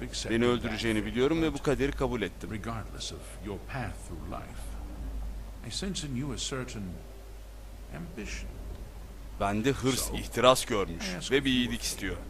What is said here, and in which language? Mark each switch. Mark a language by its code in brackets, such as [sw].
[tr] Beni öldüreceğini biliyorum ve bu kaderi kabul ettim. [en] Regardless of your path through life, I sense in you a certain ambition. [tr] Bende hırs, ihtiras görmüş ve bir iyilik istiyor.